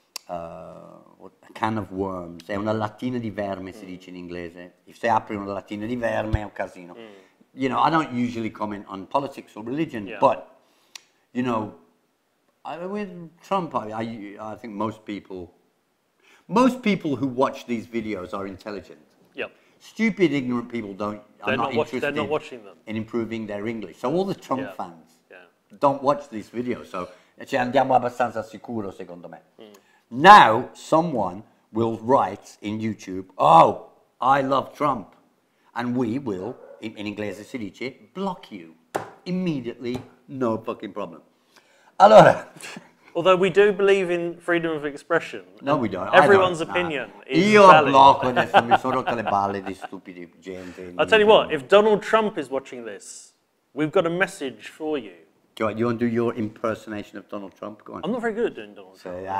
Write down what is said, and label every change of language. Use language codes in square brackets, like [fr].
[en] a can of worms, [it] è una lattina di verme, si dice in inglese. If se apri una lattina di verme è un casino. [en] You know, I don't usually comment on politics or religion, but, you know, with Trump, I think most people who watch these videos are intelligent. Yep. Stupid, ignorant people are not interested in improving their English. So all the Trump fans don't watch this video. So [it] ci andiamo abbastanza sicuro, secondo me. [en] Now someone will write in YouTube, oh, I love Trump. And we will, [it] in inglese si dice, [en] block you. Immediately, no fucking problem. Allora. Although we do believe in freedom of expression. No, we don't. Everyone's opinion is valid. [it] Io blocco adesso, mi sono rotto le balle di stupidi gente. [en] I'll tell you what, if Donald Trump is watching this, we've got a message for you. You want to do your impersonation of Donald Trump? Go on. I'm not very good at doing Donald Trump.